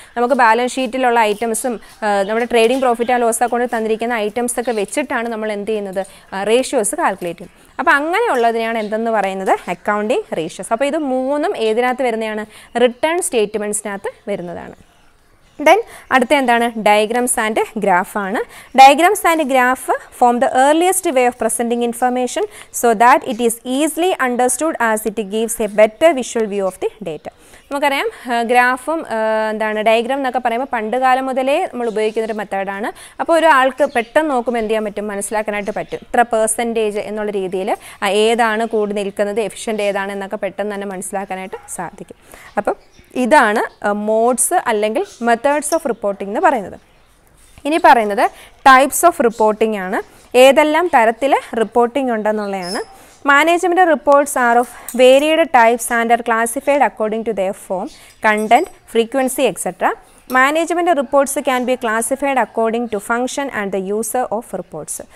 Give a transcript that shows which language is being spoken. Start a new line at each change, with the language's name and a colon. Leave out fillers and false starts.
Malayalam: നമുക്ക് ബാലൻസ് ഷീറ്റിലുള്ള ഐറ്റംസും നമ്മുടെ trading profit and loss account തന്നിരിക്കുന്ന ഐറ്റംസ് ഒക്കെ വെച്ചിട്ടാണ് നമ്മൾ എന്ത് ചെയ്യുന്നത്, റേഷ്യോസ് കാൽക്കുലേറ്റ് ചെയ്യുന്നത്. അപ്പോൾ അങ്ങനെയുള്ളതിനാണ് എന്തെന്ന് പറയുന്നത് അക്കൗണ്ടിംഗ് റേഷ്യോസ്. അപ്പോൾ ഇത് മൂന്നും ഏതിനകത്ത് വരുന്നതാണ്, റിട്ടേൺ സ്റ്റേറ്റ്മെൻറ്റ്സിനകത്ത് വരുന്നതാണ്.
English: Then, the diagrams and graph. Diagrams and graph form the earliest way of presenting information so that it is easily understood as it gives a better visual view of the data.
Malayalam: നമുക്കറിയാം ഗ്രാഫും എന്താണ് diagram എന്നൊക്കെ പറയുമ്പോൾ പണ്ട് കാലം മുതലേ നമ്മൾ ഉപയോഗിക്കുന്ന ഒരു മെത്തേഡാണ്. അപ്പോൾ ഒരാൾക്ക് പെട്ടെന്ന് നോക്കുമ്പോൾ എന്ത് ചെയ്യാൻ പറ്റും, മനസ്സിലാക്കാനായിട്ട് പറ്റും ഇത്ര പെർസെൻറ്റേജ് എന്നുള്ള രീതിയിൽ ഏതാണ് കൂടി നിൽക്കുന്നത്, എഫിഷ്യൻ്റ് ഏതാണ് എന്നൊക്കെ പെട്ടെന്ന് തന്നെ മനസ്സിലാക്കാനായിട്ട് സാധിക്കും. അപ്പം ഇതാണ് മോഡ്സ് അല്ലെങ്കിൽ മെത്തേഡ്സ് ഓഫ് റിപ്പോർട്ടിംഗ് എന്ന് പറയുന്നത്. ഇനി പറയുന്നത് ടൈപ്സ് ഓഫ് റിപ്പോർട്ടിംഗ് ആണ്, ഏതെല്ലാം തരത്തിൽ reporting ഉണ്ടെന്നുള്ളതാണ്.
English: Management reports are of varied types and are classified according to their form, content, frequency, etc. Management reports can be classified according to function and the user of reports.